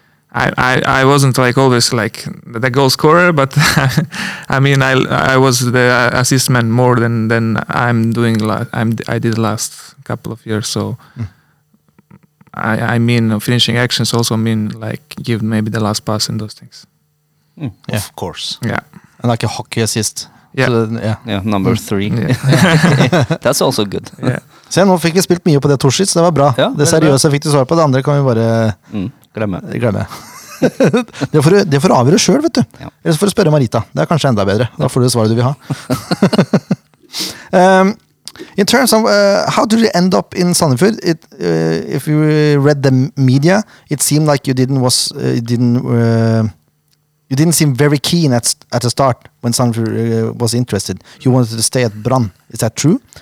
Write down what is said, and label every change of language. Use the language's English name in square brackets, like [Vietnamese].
[English] I wasn't like always like the goal scorer, but I mean I was the assist man more than I'm doing I did last couple of years. So I mean finishing actions also mean like give maybe the last pass and those things. Mm. Yeah. Of course. Yeah. And like a hockey assist. Yeah. So yeah. Number three. Yeah. That's also good. Yeah. [Norwegian] Se, nå fikk jeg spilt mye på det Torshitz, det var bra. Ja, det seriøse fikk du svar på, det andre kan vi bare glemme. Det får du avgjøre selv, vet du. Ja. Eller så får du spørre Marita, det kanskje enda bedre. Da får du svaret du vil ha. [English] In terms of, how did you end up in Sandefjord? If you read the media, it seemed like you didn't seem very keen at the start when Sandefjord was interested. You wanted to stay at Brann, is that true?